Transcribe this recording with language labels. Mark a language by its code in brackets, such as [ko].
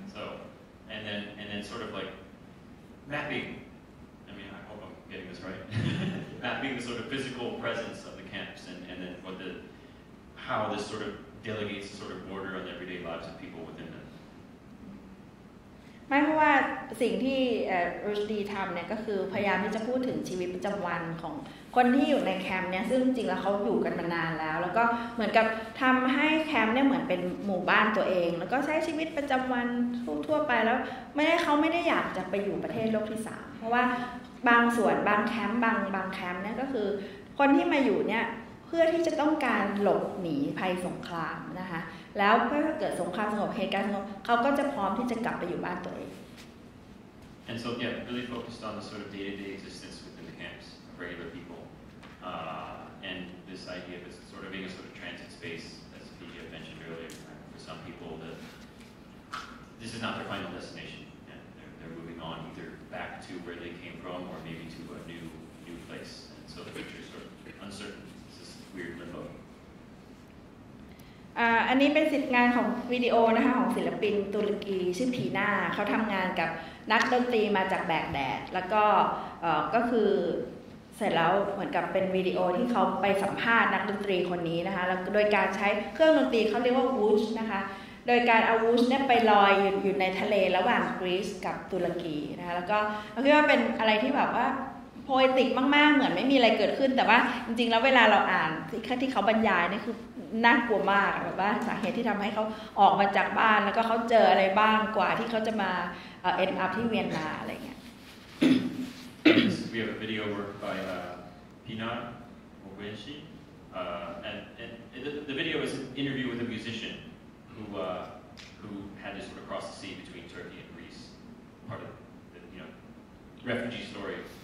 [en] So, and then sort of like mapping, I mean, I hope I'm getting this right, mapping the sort of physical presence of the camps and then how this sort of delegates the sort of border on the everyday lives of people within them. [th] หมายความว่าสิ่งที่รูชดีทำเนี่ยก็คือพยายามที่จะพูดถึงชีวิตประจำวันของคนที่อยู่ในแคมป์เนี่ยซึ่งจริงๆแล้วเขาอยู่กันมานานแล้วแล้วก็เหมือนกับทำให้แคมป์เนี่ยเหมือนเป็นหมู่บ้านตัวเองแล้วก็ใช้ชีวิตประจำวันทั่วไปแล้ว เขาไม่ได้อยากจะไปอยู่ประเทศโลกที่3เพราะว่าบางส่วนบางแคมป์บางแคมป์เนี่ยก็คือคนที่มาอยู่เนี่ยเพื่อที่จะต้องการหลบหนีภัยสงครามนะคะแล้วเมื่อเกิดสงครามสงบเหตุการณ์สงบเขาก็จะพร้อมที่จะกลับไปอยู่บ้านตัวเอง [en] And so yeah really focused on the sort of day-to-day existence within the camps of regular people and this idea of it sort of being a sort of transit space as PG had mentioned earlier for some people that this is not their final destination and they're moving on either back to where they came from or maybe to a new place and so the future is sort of uncertain it's this weird limbo [th] อันนี้เป็นสิทธิ์งานของวิดีโอนะคะของศิลปินตุรกีชื่อทีน่าเขาทำงานกับนักดนตรีมาจากแบกแดดแล้วก็คือเสร็จแล้วเหมือนกับเป็นวิดีโอที่เขาไปสัมภาษณ์นักดนตรีคนนี้นะคะแล้วโดยการใช้เครื่องดนตรีเขาเรียกว่าวูชนะคะโดยการเอาวูชเนี่ยไปลอยอยู่ในทะเลระหว่างกรีซกับตุรกีนะคะแล้วก็คิดว่าเป็นอะไรที่แบบว่า โพเอติกมากๆเหมือนไม่มีอะไรเกิดขึ้นแต่ว่าจริงๆแล้วเวลาเราอ่านที่เขาบรรยายนี่คือน่ากลัวมากแบบว่าสาเหตุที่ทำให้เขาออกมาจากบ้านแล้วก็เขาเจออะไรบ้างกว่าที่เขาจะมา [en] end up [th] ที่เวียนนาอะไรเงี้ย [en] We have a video work by Pina or Wenxi and the video is an interview with a musician who who had to sort of cross the sea between Turkey and Greece, part of the, you know, refugee story.